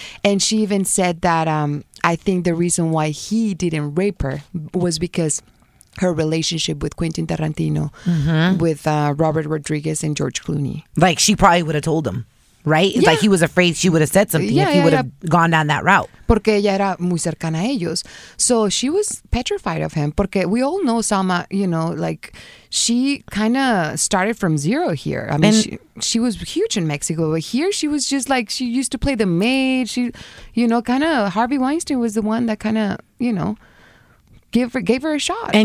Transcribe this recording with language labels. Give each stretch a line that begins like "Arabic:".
English: And she even said that I think the reason why he didn't rape her was because her relationship with Quentin Tarantino, with Robert Rodriguez and George Clooney. Like, she probably would have told him. Right? Yeah. Like, he was afraid she would have said something if he would have gone down that route.
Spanish: Porque ella era muy cercana a ellos.
English: So she was petrified of him.
Spanish: Porque
English: we all know Salma, you know, like, she kind of started from zero here. I mean, she was huge in Mexico. But here she was just like, she used to play the maid. She, you know, kind of, Harvey Weinstein was the one that kind of, you know, gave her a shot.